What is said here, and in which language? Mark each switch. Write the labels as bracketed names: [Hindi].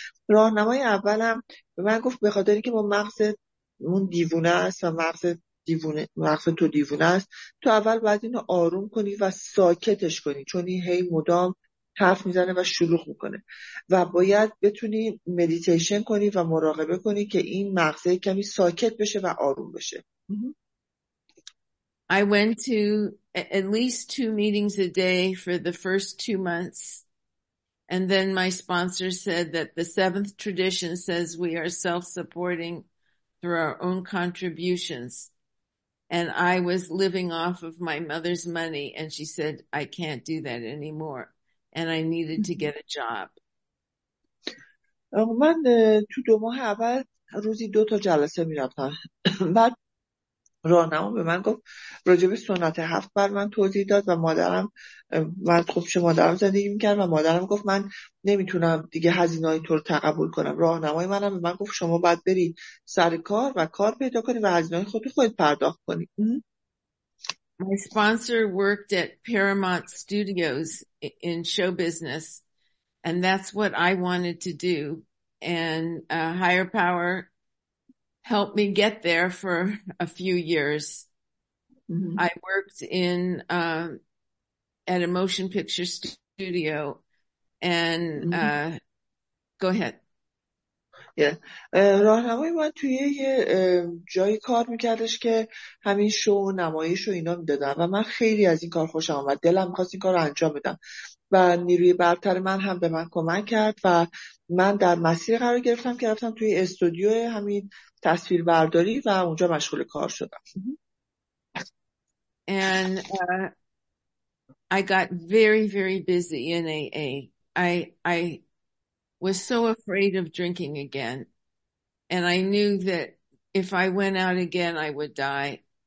[Persian] راهنمای اولم به من گفت به خاطر اینکه با مغزمون دیوونه است و مغز تو دیوونه است، تو اول باید اینو آروم کنی و ساکتش کنی، چون این هی مدام حرف میزنه و شلوغ میکنه و باید بتونی مدیتیشن کنی و مراقبه کنی که این مغزه کمی ساکت بشه و آروم بشه. [English] I went to at least two meetings a day for the first two months, and then my sponsor said that the seventh tradition says we are self-supporting through our own contributions, and I was living off of my mother's money, and she said I can't do that anymore. And I needed to get a job. [Persian] من تو دو ماه اول روزی دو تا جلسه می رفتم. بعد راهنما به من گفت راجب سنت هفت بر من توضیح داد و مادرم من خوب چه مادرم زندگی می کرد و مادرم گفت من نمیتونم دیگه هزینه های تو رو تقبل کنم. راهنمای منم به من گفت شما باید برید سر کار و کار پیدا کنید و هزینه های خود رو خودت پرداخت کنید. [English] My sponsor worked at Paramount Studios in show business, and that's what I wanted to do. And a higher power helped me get there for a few years. Mm-hmm. I worked in at a motion picture studio, and go ahead. Yeah. [Persian] راهنمایی من توی یه جایی کار میکردش که همین شو و نمایش و اینا میدادم و من خیلی از این کار خوشم آمد، دلم میخواست این کار رو انجام بدم و نیروی برتر من هم به من کمک کرد و من در مسیر قرار گرفتم که رفتم توی استودیو همین تصویر برداری و اونجا مشغول کار شدم. [English] And I got very, very busy in AA. I was so afraid of drinking again. And I knew that if I went out again, I would die.